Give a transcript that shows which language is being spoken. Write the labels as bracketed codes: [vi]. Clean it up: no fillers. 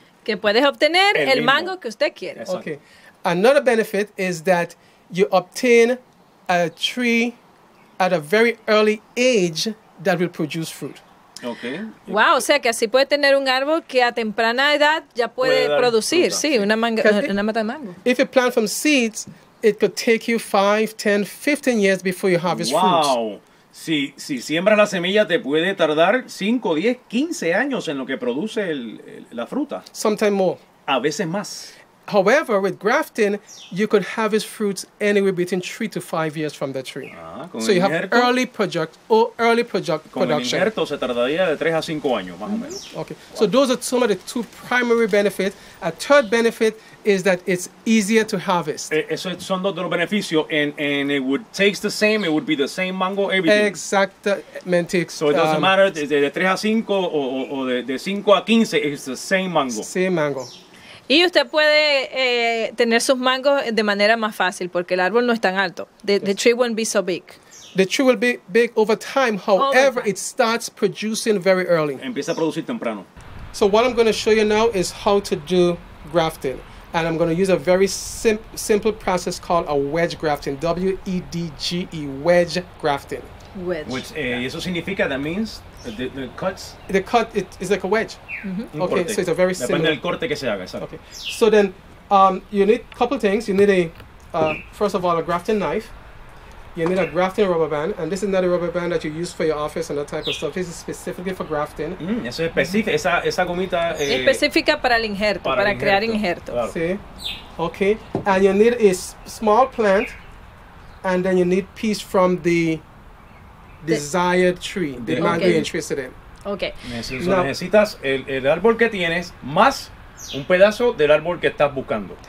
[es] Que puedes obtener el mango que usted quiere. Exacto. Okay. [en] Another benefit is that you obtain a tree at a very early age that will produce fruit. Okay. [es] Wow, o sea que así puede tener un árbol que a temprana edad ya puede producir, fruta, sí, una manga, una mata de mango. [en] If you plant from seeds, it could take you 5, 10, 15 years before you harvest wow. fruits. Wow. [es] Si siembras la semilla, te puede tardar 5, 10, 15 años en lo que produce la fruta. [en] Sometimes more. [es] A veces más. [en] However, with grafting, you could harvest fruits anywhere between 3 to 5 years from the tree. So you have early production. [es] Con el injerto se tardaría de 3 a 5 años, más o menos. Okay. [en] Wow. So those are some of the two primary benefits. A third benefit is that it's easier to harvest. [es] Eso son dos de los beneficios. [en] And it would taste the same, it would be the same mango, everything. [es] Exactamente. [en] So it doesn't matter, [es] de 3 a 5 o de 5 a 15, [en] it's the same mango. Same mango. [es] Y usted puede tener sus mangos de manera más fácil porque el árbol no es tan alto. [en] The tree won't be so big. The tree will be big over time. However, it starts producing very early. [es] Empieza a producir temprano. [en] So what I'm going to show you now is how to do grafting. And I'm going to use a very simple process called a wedge grafting. W-E-D-G-E, wedge grafting. Wedge. Which, [es] eso significa, [en] that means the cuts? The cut, it's like a wedge. Mm-hmm. Okay, so it's a very simple. [es] Depende del corte que se haga, exacto. [en] Okay. So then, you need a couple things. You need first of all, a grafting knife. You need a grafting rubber band. And this is not a rubber band that you use for your office and that type of stuff. This is specifically for grafting. [es] Eso es específico, esa gomita. Específica para el injerto, para injerto. Crear injerto. Claro. Sí. [en] Okay. And you need a small plant. And then you need piece from the desired tree, the mango you're interested in. Okay. [es] Necesitas el árbol que tienes más un pedazo del árbol que estás buscando.